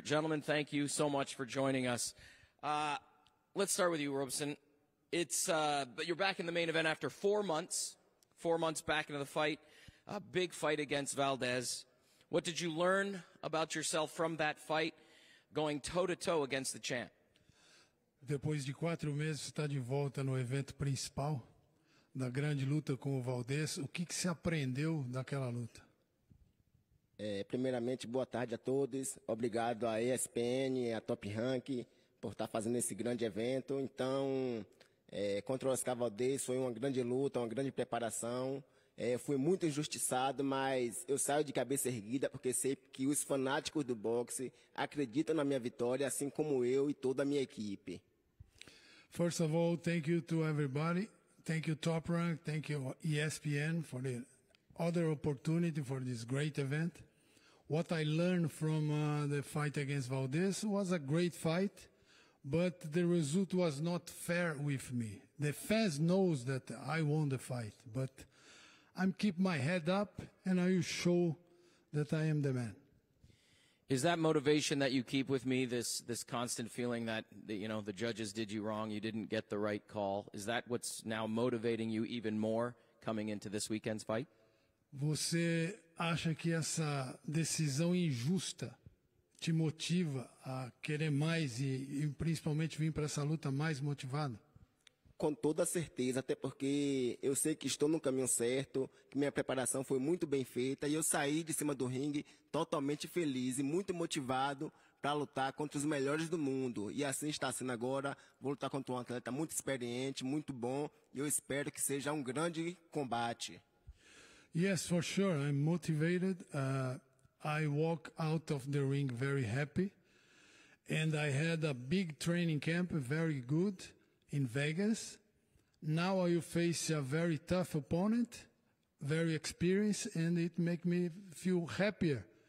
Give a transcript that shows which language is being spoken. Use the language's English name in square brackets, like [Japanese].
[English] Gentlemen, thank you so much for joining us. Let's start with you, Robson. You're back in the main event after 4 months. 4 months back into the fight. A big fight against Valdez. What did you learn about yourself from that fight going toe-to-toe against the champ? [Portuguese] Depois de 4 meses, está de volta no evento principal da grande luta com o Valdez. O que você aprendeu daquela luta? Primeiramente, boa tarde a todos. Obrigado à ESPN, à Top Rank, por estar fazendo esse grande evento. Então, contra o Oscar Valdez foi uma grande luta, uma grande preparação. Fui muito injustiçado, mas eu saio de cabeça erguida porque sei que os fanáticos do boxe acreditam na minha vitória, assim como eu e toda a minha equipe. [English] First of all, thank you to everybody. Thank you, Top Rank. Thank you, ESPN, for the other opportunity for this great event. What I learned from the fight against Valdez was a great fight, but the result was not fair with me. The fans knows that I won the fight, but I'm keep my head up and I will show that I am the man. Is that motivation that you keep with me, this constant feeling that, you know, the judges did you wrong, you didn't get the right call, is that what's now motivating you even more coming into this weekend's fight? [Portuguese] Você acha que essa decisão injusta te motiva a querer mais e principalmente vir para essa luta mais motivado? Com toda certeza, até porque eu sei que estou no caminho certo, que minha preparação foi muito bem feita e eu saí de cima do ringue totalmente feliz e muito motivado para lutar contra os melhores do mundo. E assim está sendo agora, vou lutar contra um atleta muito experiente, muito bom e eu espero que seja um grande combate. [English] Yes, for sure, I'm motivated. I walk out of the ring very happy. And I had a big training camp, very good, in Vegas. Now I will face a very tough opponent, very experienced, and it makes me feel happier.